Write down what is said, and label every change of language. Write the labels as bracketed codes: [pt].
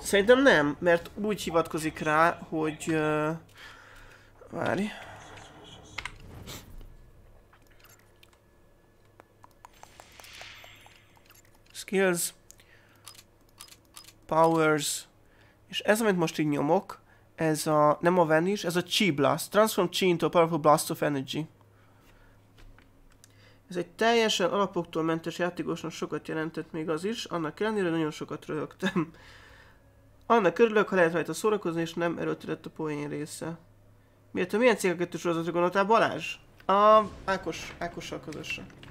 [hu] Szerintem nem, mert úgy hivatkozik rá, hogy... Várj. [en] Skills. Powers. [hu] És ez, amit most így nyomok, ez a, nem a Vanish, ez a Chi Blast. [en] Transform Chi into a powerful blast of energy. [hu] Ez egy teljesen alapoktól mentes játékosnak sokat jelentett még az is, annak ellenére nagyon sokat röhögtem. Annak örülök, ha lehet rajta szórakozni, és nem erőltetett a poén része. Miért a milyen CK2-es sorozatra gondoltál, Balázs? A Ákos, Ákossal közösen.